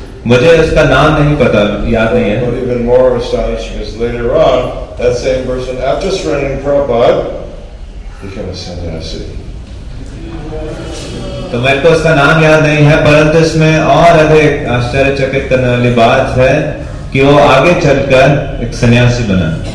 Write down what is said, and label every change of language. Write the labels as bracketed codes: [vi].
[hi] मुझे उसका नाम नहीं पता याद नहीं है. [en] But even more astonishing is later on, that same person, after surrendering Prabhupada, become a sannyasi. [hi] तो मेरे को उसका नाम याद नहीं है परंतु इसमें और अधिक आश्चर्यचकित करने वाली बात है कि वो आगे चलकर एक सन्यासी बना